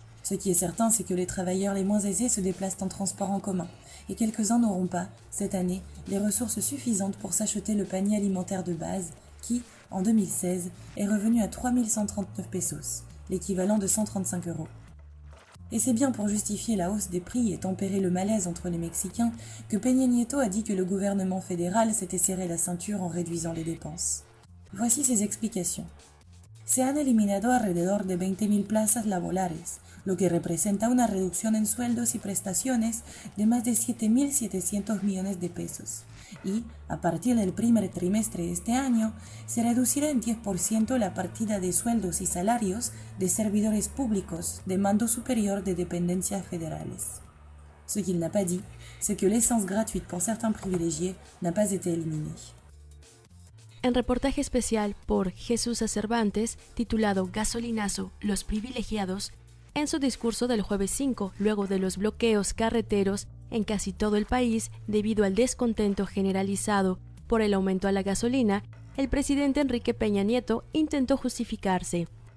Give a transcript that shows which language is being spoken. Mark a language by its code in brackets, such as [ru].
[fr] Ce qui est certain, c'est que les travailleurs les moins aisés se déplacent en transport en commun, et quelques-uns n'auront pas, cette année, les ressources suffisantes pour s'acheter le panier alimentaire de base, qui, en 2016, est revenu à 3139 pesos, l'équivalent de 135 euros. Et c'est bien pour justifier la hausse des prix et tempérer le malaise entre les Mexicains que Peña Nieto a dit que le gouvernement fédéral s'était serré la ceinture en réduisant les dépenses. Voici ses explications. [es] Se han eliminado alrededor de 20.000 plazas laborales, lo que representa una reducción en sueldos y prestaciones de más de 7.700 millones de pesos. Y, a partir del primer trimestre de este año, se reducirá en 10% la partida de sueldos y salarios de servidores públicos de mando superior de dependencias federales. [fr] Ce qu'il n'a pas dit, c'est que l'essence gratuite pour certains privilégiés n'a pas été éliminée. [es] En reportaje especial por Jesús Cervantes, titulado Gasolinazo, los privilegiados, en su discurso del jueves 5, luego de los bloqueos carreteros en casi todo el país debido al descontento generalizado por el aumento a la gasolina, el presidente Enrique Peña Nieto intentó justificarse.